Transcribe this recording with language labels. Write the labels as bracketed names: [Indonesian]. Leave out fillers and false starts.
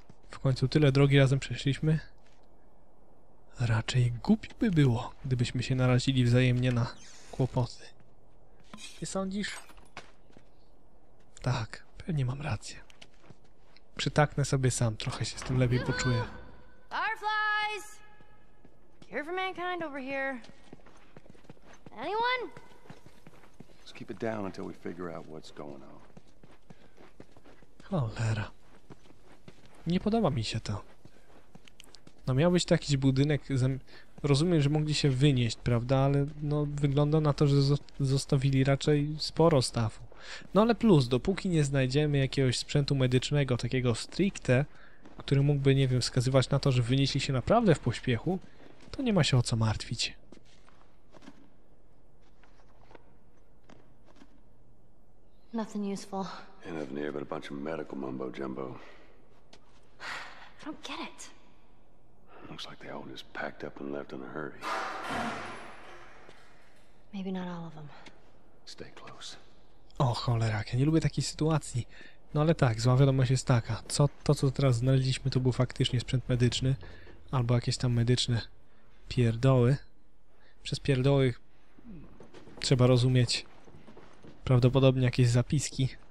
[Polish] W końcu tyle drogi razem przeszliśmy. Raczej głupio by było, gdybyśmy się narazili wzajemnie na kłopoty. Ty sądzisz? Tak, pewnie mam rację. Przytaknę sobie sam, trochę się z tym lepiej poczuję. [English] Fireflies! Care for mankind over here. Anyone? Let's keep it down until we figure out what's going on. [Polish] Cholera. Nie podoba mi się to. No miał być taki budynek, rozumiem, że mogli się wynieść, prawda, ale no wygląda na to, że zostawili raczej sporo stawu. No ale plus, dopóki nie znajdziemy jakiegoś sprzętu medycznego, takiego stricte, który mógłby, nie wiem, wskazywać na to, że wynieśli się naprawdę w pośpiechu, to nie ma się o co martwić. [English] Nothing useful. Enough near, but a bunch of medical mumbo jumbo. I don't get it. Looks like they all just packed up and left in a hurry. Maybe not all of them. Stay close. [Polish] O cholera, ja nie lubię takiej sytuacji. No ale tak, zła wiadomość jest taka. Co teraz znaleźliśmy, to był faktycznie sprzęt medyczny. Albo jakieś tam medyczne pierdoły. Przez pierdoły trzeba rozumieć prawdopodobnie jakieś zapiski.